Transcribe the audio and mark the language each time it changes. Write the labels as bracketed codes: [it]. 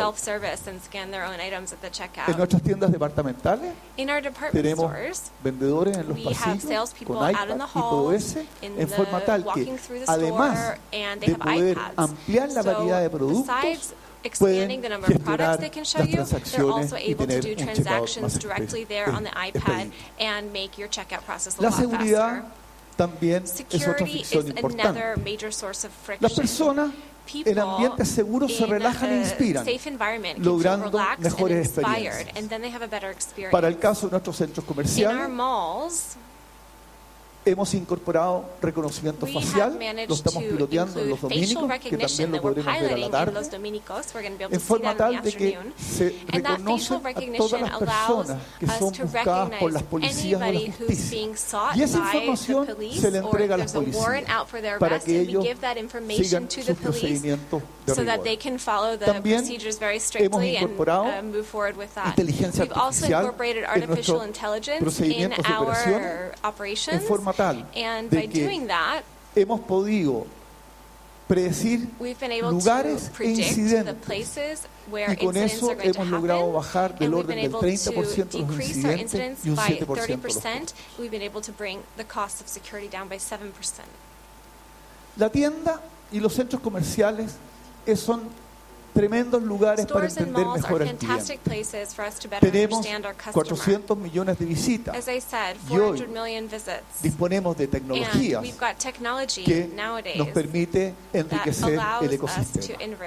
[en] Self-service and scan their own items at the checkout. [es] En nuestras tiendas departamentales tenemos vendedores en los pasillos con iPad y POS en forma tal que además de poder ampliar la variedad de productos [en] expanding the number of products they can show you, they're also able to do transactions directly there on the iPad and make your checkout process a lot faster. [es] También es otra fricción importante. Las personas en ambientes seguros se relajan e inspiran, logrando mejores experiencias. Para el caso de nuestros centros comerciales, hemos incorporado reconocimiento facial, lo estamos piloteando en Los Dominicos, que también lo podremos ver a la tarde, en forma tal de que se reconoce a todas las personas que son buscadas por las policías o la justicia. Y esa información se le entrega a las policías para que ellos sigan sus procedimientos de rigor. También hemos incorporado inteligencia artificial en nuestro procedimiento de operación, en forma tal [en] and by doing that, [es] hemos podido predecir lugares e incidentes. Y con eso hemos logrado bajar del orden del 30% los incidentes y un 7% los costos. [en] We've been able to bring the cost of security down by 7%. [es] La tienda y los centros comerciales son tremendos lugares para entender mejor al cliente. Tenemos 400 millones de visitas y hoy disponemos de tecnologías que nos permite enriquecer el ecosistema.